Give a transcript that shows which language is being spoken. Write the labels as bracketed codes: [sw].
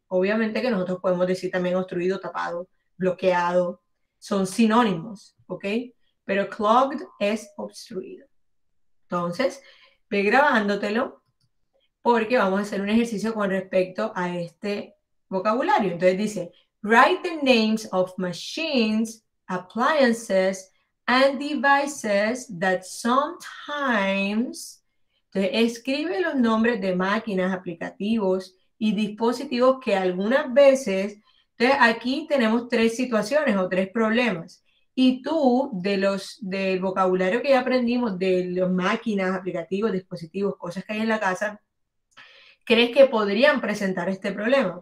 [es] Obviamente que nosotros podemos decir también obstruido, tapado, bloqueado, son sinónimos, ¿ok? Pero clogged es obstruido. Entonces, ve grabándotelo porque vamos a hacer un ejercicio con respecto a este vocabulario. Entonces dice, [en] write the names of machines, appliances, and devices that sometimes... [es] Entonces, escribe los nombres de máquinas, aplicativos y dispositivos que algunas veces... Entonces, aquí tenemos tres situaciones o tres problemas. Y tú, del vocabulario que ya aprendimos, de las máquinas, aplicativos, dispositivos, cosas que hay en la casa, ¿crees que podrían presentar este problema?